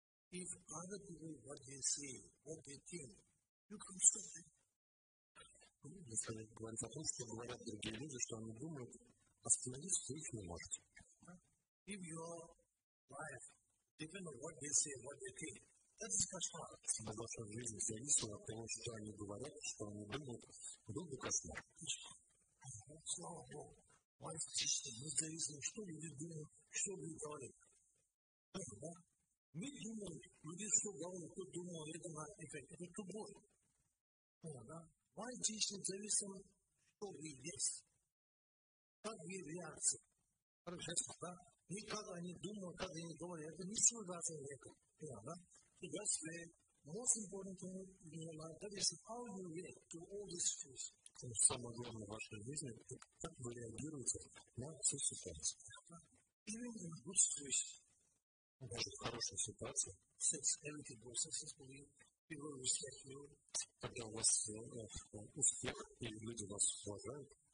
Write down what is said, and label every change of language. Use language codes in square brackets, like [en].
[en] If other people what they say, what they think, you can stop them. [ru] Если говорить о том, что говорят другие люди, что они думают, остановить их не можете. [en] If your life depends on what they say, what they think, that is kashmar. [ru] Если ваша жизнь зависит от того, что они говорят, что они думают, был бы кошмар. Слава Богу. Life чисто, независимо, что люди думают, что люди говорят. Мы думаем, люди что говорят, кто думал, это на эффект, это тупой. Life чисто, независимо, что вы есть. Как вы реакция. Хорошо, да? И как они думают, как они говорят, это не связано с этим. Понял, да? [en] И that's the most important thing in your life, that is how you react to all these things. [ru] То есть самое главное в вашей жизни, как вы реагируете на всю ситуацию. [en] Even in good situation. [ru] Даже в хорошей ситуации. [en] Since everything goes successfully, people respect you. [ru] Когда у вас успех, и люди вас уважают.